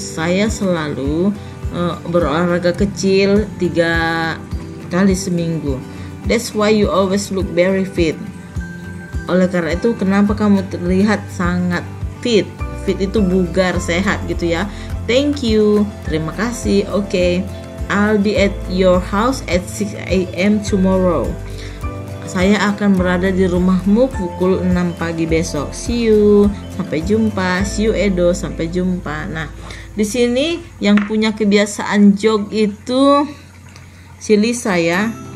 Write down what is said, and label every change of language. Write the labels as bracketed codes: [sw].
[id] Saya selalu berolahraga kecil 3 kali seminggu. [en] That's why you always look very fit. [id] Oleh karena itu, kenapa kamu terlihat sangat fit? Fit itu bugar, sehat gitu ya. [en] Thank you. [id] Terima kasih. Okay. [en] I'll be at your house at 6 a.m. tomorrow. [id] Saya akan berada di rumahmu pukul 6 pagi besok. [en] See you, [id] sampai jumpa. See you Edo, sampai jumpa. Nah, di sini yang punya kebiasaan jog itu si Lisa ya.